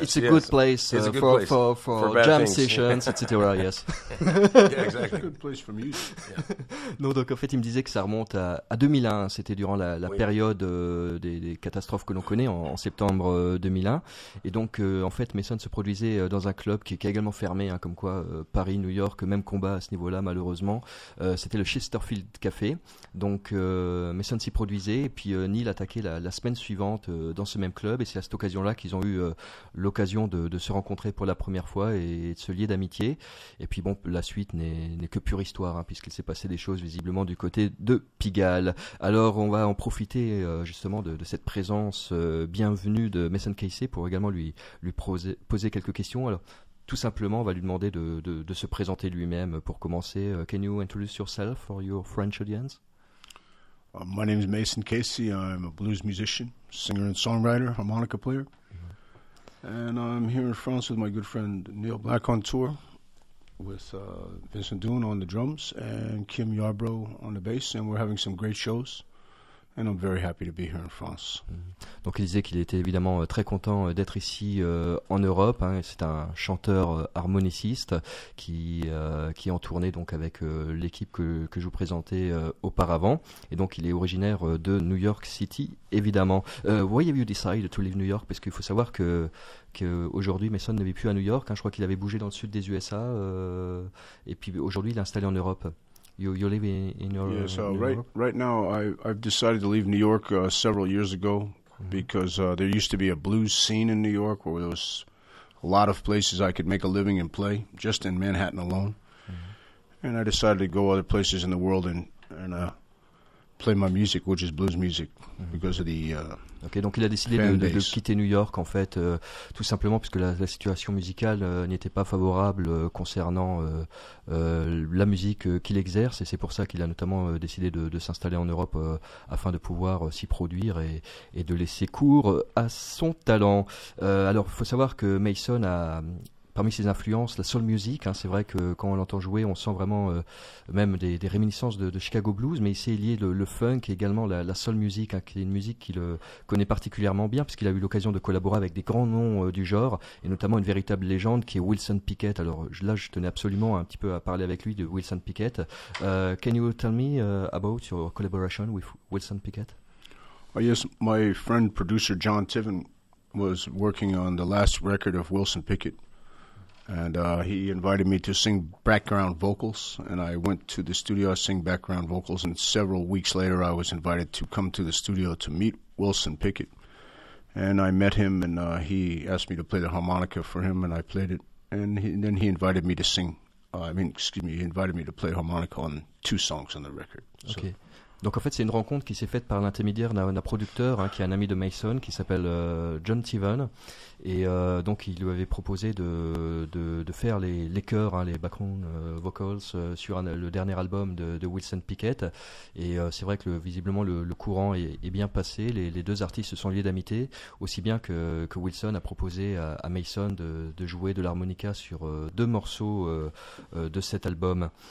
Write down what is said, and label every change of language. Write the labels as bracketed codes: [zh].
[en] It's a good place for jam sessions, etc. Yes. Yeah, exactly. Good place for music. Yeah. [fr] Non, donc en fait, il me disait que ça remonte à 2001. C'était durant la oui. période des catastrophes que l'on connaît en septembre 2001. Et donc, en fait, Mason se produisait dans un club qui est également fermé, hein, comme quoi Paris, New York, même combat à ce niveau-là, malheureusement. C'était le Chesterfield Café. Donc, Mason s'y produisait. Et puis, Neil attaquait la semaine suivante dans ce même club. Et c'est à cette occasion-là qu'ils ont eu l'occasion de se rencontrer pour la première fois et de se lier d'amitié. Et puis bon, la suite n'est que pure histoire, hein, puisqu'il s'est passé des choses visiblement du côté de Pigalle. Alors on va en profiter justement de cette présence bienvenue de Mason Casey pour également lui poser quelques questions. Alors tout simplement, on va lui demander de se présenter lui-même pour commencer. [en] Can you introduce yourself for your French audience? My name is Mason Casey. I'm a blues musician, singer and songwriter, harmonica player. Mm-hmm. And I'm here in France with my good friend Neil Black on tour with Vincent Dunne on the drums and Kim Yarbrough on the bass. And we're having some great shows. And I'm very happy to be here in France. [fr] Donc il disait qu'il était évidemment très content d'être ici en Europe. Hein. C'est un chanteur harmoniciste qui est en tournée donc avec l'équipe que je vous présentais auparavant. Et donc il est originaire de New York City, évidemment. [en] Why have you decided to leave New York? [fr] Parce qu'il faut savoir qu'aujourd'hui Mason n'est plus à New York. Hein. Je crois qu'il avait bougé dans le sud des USA. Et puis aujourd'hui il est installé en Europe. [en] You live in your yeah, so in right Europe? Right now I've decided to leave New York several years ago mm-hmm. because there used to be a blues scene in New York where there was a lot of places I could make a living and play just in Manhattan alone, mm-hmm. and I decided to go other places in the world and play my music, which is blues music, mm-hmm. because of the [fr] Okay, donc il a décidé de quitter New York, en fait, tout simplement puisque la situation musicale n'était pas favorable concernant la musique qu'il exerce. Et c'est pour ça qu'il a notamment décidé de s'installer en Europe afin de pouvoir s'y produire et de laisser cours à son talent. Alors, il faut savoir que Mason a... Parmi ses influences, la soul music, hein, c'est vrai que quand on l'entend jouer, on sent vraiment même des réminiscences de Chicago Blues, mais il s'est lié le funk et également la soul music, hein, qui est une musique qu'il connaît particulièrement bien, puisqu'il a eu l'occasion de collaborer avec des grands noms du genre, et notamment une véritable légende qui est Wilson Pickett. Alors là, je tenais absolument un petit peu à parler avec lui de Wilson Pickett. [en] Can you tell me about your collaboration with Wilson Pickett? Oh, yes, my friend producer John Tiven was working on the last record of Wilson Pickett. And he invited me to sing background vocals, and I went to the studio to sing background vocals, and several weeks later I was invited to come to the studio to meet Wilson Pickett. And I met him, and he asked me to play the harmonica for him, and I played it. And then he invited me to sing, he invited me to play harmonica on two songs on the record. So. Okay. [fr] Donc en fait, c'est une rencontre qui s'est faite par l'intermédiaire d'un producteur, hein, qui est un ami de Mason, qui s'appelle John Tiven. Et donc il lui avait proposé de faire les chœurs, hein, les background vocals sur le dernier album de Wilson Pickett. Et c'est vrai que visiblement le courant est bien passé. Les deux artistes se sont liés d'amitié, aussi bien que Wilson a proposé à Mason de jouer de l'harmonica sur deux morceaux de cet album.